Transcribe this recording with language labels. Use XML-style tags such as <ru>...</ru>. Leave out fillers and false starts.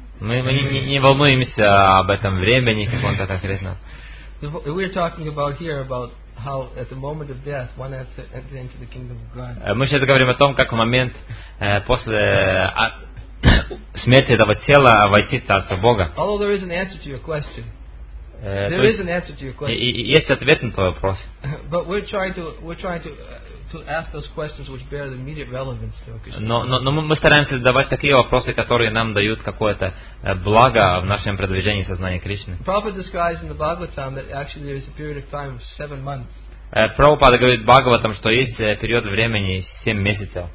<ru>Мы не волнуемся об этом времени каком-то конкретно.</ru> <en>We're talking about here about how at the moment of death one has to enter into the kingdom of God.</en> <ru>Мы сейчас говорим о том, как в момент после смерти этого тела войти в Царство Бога.</ru> <en>Although there is an answer to your question. There is an answer to your question.</en> <ru>Есть ответ на твой вопрос.</ru> <en>But we're trying to ask those questions which bear the immediate relevance to Krishna.</en> <ru>Но мы стараемся задавать такие вопросы, которые нам дают какое-то благо в нашем продвижении сознания Кришны.</ru> <en>Prabhupada describes in the Bhagavatam that actually there is a period of time of 7 months.</en> <ru>Prabhupada говорит в Бхагаватам, что есть период времени 7 месяцев.</ru>